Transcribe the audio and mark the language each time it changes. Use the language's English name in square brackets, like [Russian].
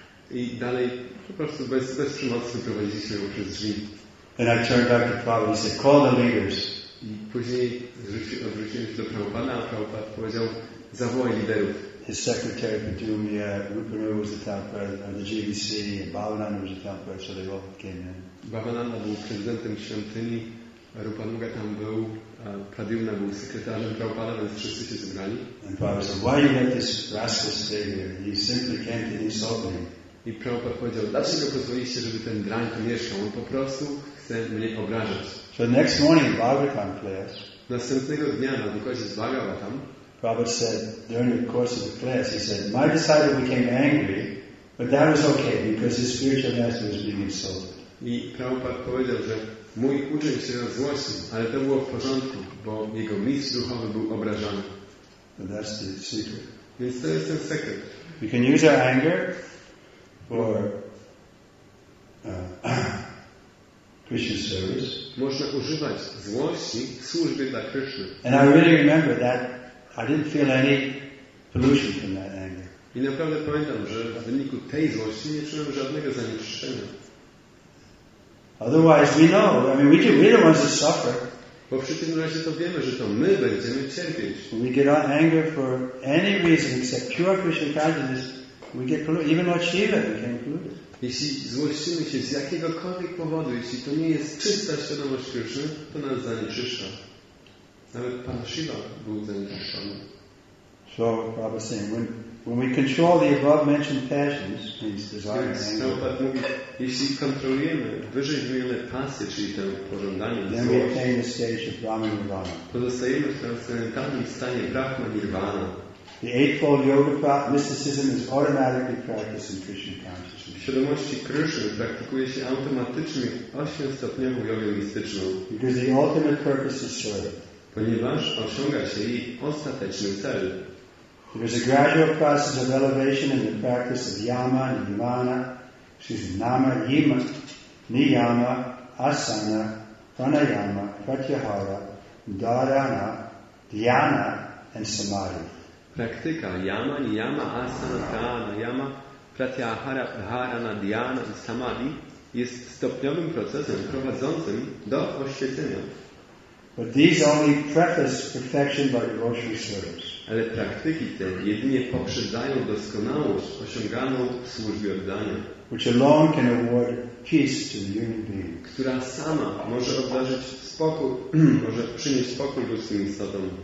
[Polish] I dalej po prostu bez przemocy prowadziliśmy ją przez drzwi. [English] And I turned back to Prabhupada and he said, call the leaders. [Polish] I później odwróciłem się do Prabhupada, a Prabhupada powiedział, zawołaj liderów. [English] His secretary Padumia, Rupanu was the top president of the GBC, and Bhavananda was the top president, so they all came in. [Polish] Bhavananda był prezydentem świątyni, Rupanuga tam był, Padumna był sekretarzem Prabhupada, więc wszyscy się zebrali. [English] And Prabhupada said, why you let this rascal stay here? He simply can't insult me. [Polish] I Prabhupada powiedział, dlaczego pozwoliliście, żeby ten drank mieszkał? On po prostu chce mnie obrażać. [English] So the next morning, Bhagavatam class. [Polish] Następnego dnia na wykładzie z Bhagavatam. [English] Prabhupada said, during the course of the class, he said, my disciple became angry, but that was okay, because his spiritual master was being insulted. [Polish] I Prabhupada powiedział, że mój uczeń się rozgłosił, ale to było w porządku, bo jego mistrz duchowy był obrażany. [English] And that's the secret. [Polish] Więc to jest ten sekret. [English] We can use our anger for Krishna service. [Polish] Można używać złości w służbie dla Krishna. [English] And I really remember that I didn't feel any pollution from that anger. [Polish] I naprawdę pamiętam, że w wyniku tej złości nie czułem żadnego zanieczyszczenia. [English] Otherwise, we know. I mean, we're the ones that suffer. [Polish] Bo przy tym razie to wiemy, że to my będziemy cierpieć. [English] When we get anger for any reason except pure Krishna consciousness, we get polluted. Even Lord Shiva became polluted. [Polish] Jeśli złościmy się z jakiegokolwiek powodu, jeśli to nie jest czysta świadomość Krishna, to nas zanieczyszcza. Nawet Pan Shiva był zanieczyszczony. [English] So, Prabhupada saying, when we control the above mentioned passions, these desires, [Polish] jeśli kontrolujemy wyżej wymienione pasje, czyli to pożądanie, [English] then we attain the stage of Brahma Nirvana. [Polish] Pozostajemy w transcendentalnym stanie Brahma Nirvana. [English] The eightfold yoga path, mysticism is automatically practiced in Krishna consciousness. [Polish] W świadomości Krishna praktykuje się automatycznie ośmiostopniową jogę mistyczną. [English] Because the ultimate purpose is served. [Polish] Ponieważ osiąga się jej ostateczny cel. [English] There is a gradual process of elevation in the practice of yama, nimana, nama, yima, niyama, asana, pranayama, pratyahara, dharana, dhyana, and samadhi. [Polish] Praktyka yama, niyama, asana, pranayama, pratyahara, dharana, dhyana i samadhi jest stopniowym procesem prowadzącym do oświecenia. [English] But these only preface perfection by devotional service. [Polish] Ale praktyki te jedynie poprzedzają doskonałość osiąganą w służbie oddania, [English] which alone can award peace to the human being. [Polish] Która sama może obdarzyć spokój, może przynieść spokój ludzkim istotom.